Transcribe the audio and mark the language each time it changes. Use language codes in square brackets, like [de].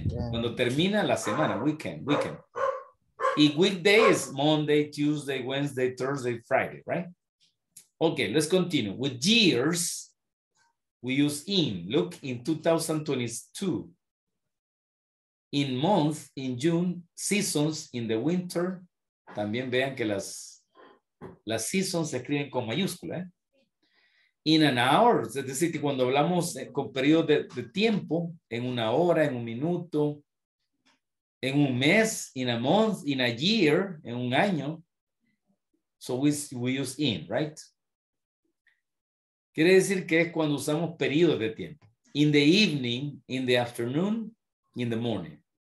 [es] Cuando termina la semana, [en] weekend. Y weekday is Monday, Tuesday, Wednesday, Thursday, Friday, right? Okay, let's continue. With years, we use in. Look, in 2022. In month, in June, seasons, in the winter. [es] También vean que las seasons se escriben con mayúscula. [en] In an hour, [es] es decir, que cuando hablamos con periodo de tiempo, en una hora, en un minuto, en un mes, [en] in a month, in a year, [es] en un año. [en] So we use in, right? [es] Quiere decir que es cuando usamos periodos de tiempo. [en] In the evening, in the afternoon, in the morning.